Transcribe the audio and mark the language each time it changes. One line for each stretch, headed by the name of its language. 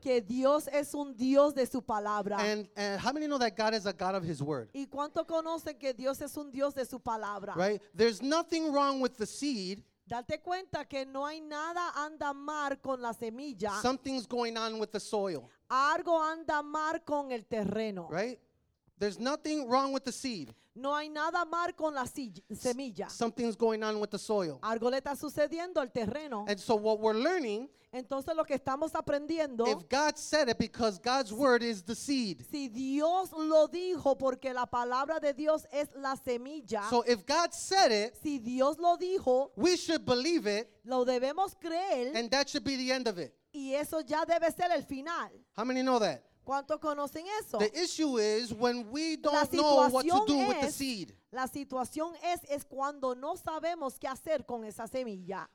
Spanish: Que Dios es un Dios de su palabra.
English: And how many know that God is a God of His Word?
Spanish: ¿Y cuánto conocen que Dios es un Dios de su palabra?
English: Right? There's nothing wrong with the seed.
Spanish: Date cuenta que no hay nada anda mal con la semilla.
English: Something's going on with the soil.
Spanish: Algo anda mal con el terreno.
English: Right? There's nothing wrong with the seed.
Spanish: No hay nada mal con la semilla.
English: Something's going on with the soil.
Spanish: Algo le está sucediendo al terreno.
English: And so what we're learning,
Spanish: entonces lo que estamos aprendiendo,
English: if God said it because God's word is the seed.
Spanish: Si Dios lo dijo porque la palabra de Dios es la semilla.
English: So if God said it,
Spanish: si Dios lo dijo,
English: we should believe it.
Spanish: Lo debemos creer.
English: And that should be the end of it.
Spanish: Y eso ya debe ser el final.
English: How many know that?
Spanish: ¿Cuánto conocen eso?
English: The issue is when we don't know what to do with the seed.
Spanish: La situación es cuando no sabemos qué hacer con esa semilla.